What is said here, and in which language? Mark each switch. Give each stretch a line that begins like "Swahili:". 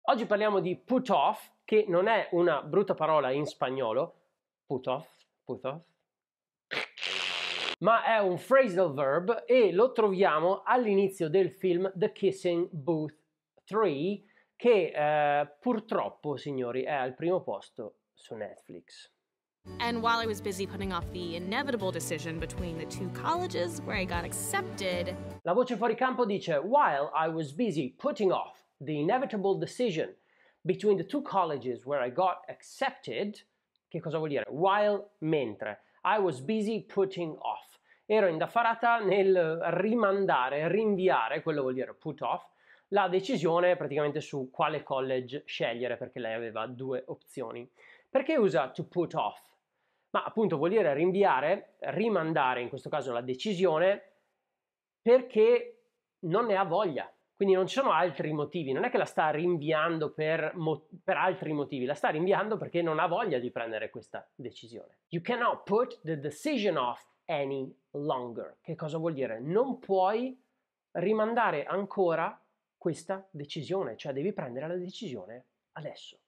Italian: Oggi parliamo di put off, che non è una brutta parola in spagnolo, put off, ma è un phrasal verb e lo troviamo all'inizio del film The Kissing Booth 3, che purtroppo, signori, è al primo posto su Netflix.
English: And while I was busy putting off the inevitable decision between the two colleges where I got accepted...
Italian: La voce fuori campo dice,
English: while I was busy putting off the inevitable decision between the two colleges where I got accepted...
Italian: Che cosa vuol dire? While, mentre.
English: I was busy putting off.
Italian: Ero indaffarata nel rimandare, rinviare, quello vuol dire put off, la decisione praticamente su quale college scegliere, perché lei aveva due opzioni. Perché usa to put off? Ma appunto vuol dire rinviare, rimandare in questo caso la decisione, perché non ne ha voglia. Quindi non ci sono altri motivi, non è che la sta rinviando per altri motivi, la sta rinviando perché non ha voglia di prendere questa decisione.
English: You cannot put the decision off any longer.
Italian: Che cosa vuol dire? Non puoi rimandare ancora questa decisione, cioè devi prendere la decisione adesso.